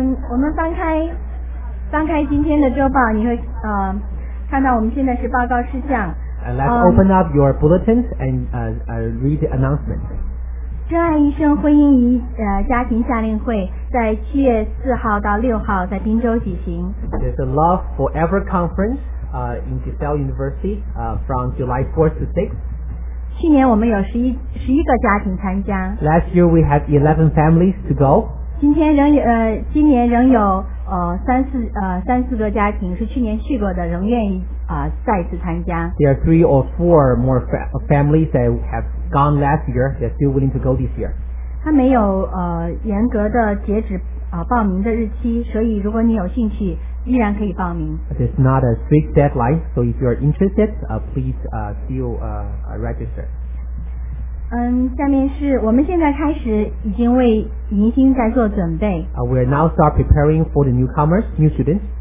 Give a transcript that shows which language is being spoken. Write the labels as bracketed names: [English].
[Chinese] 我们翻开今天的周报你会看到我们现在是报告事项 [English] Let's open up your bulletins and read the announcement [Chinese] 真爱一生婚姻与家庭夏令会在7月4号到6号在宾州举行 [English] There's a Love Forever Conference in DeSalle University from July 4th to 6th [Chinese] 去年我们有11个家庭参加 [English] Last year we had 11 families to go [Chinese] 今年仍有三四个家庭是去年去过的仍愿意再次参加 [English] There are 3 or 4 more families that have gone last year they're still willing to go this year [Chinese] 它没有严格的截止报名的日期所以如果你有兴趣依然可以报名 [English] There's not a strict deadline so if you're interested please still register [Chinese] 下面是我们现在开始已经为迎新在做准备 [English] We are now start preparing for the newcomers new students